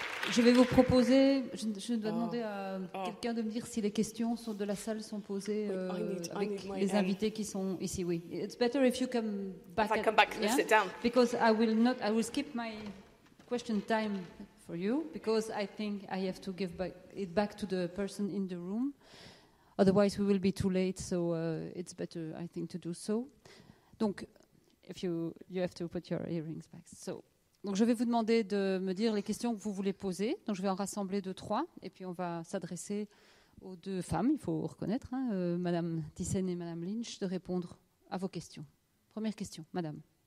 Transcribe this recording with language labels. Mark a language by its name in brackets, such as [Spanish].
[French] Je vais vous proposer, je dois demander à quelqu'un de me dire si les questions sont de la salle sont posées les invités qui sont ici. [English] Oui. It's better if you come back. If I come back and sit down. Because I will skip my question time for you because I think I have to give it back to the person in the room. Otherwise we will be too late, so it's better I think to do so. Donc, if you have to put your earrings back. So. [French] Donc je vais vous demander de me dire les questions que vous voulez poser. Donc je vais en rassembler deux, trois, et puis on va s'adresser aux deux femmes, il faut reconnaître, hein, Madame Thyssen et Madame Lynch, de répondre à vos questions. Première question, Madame.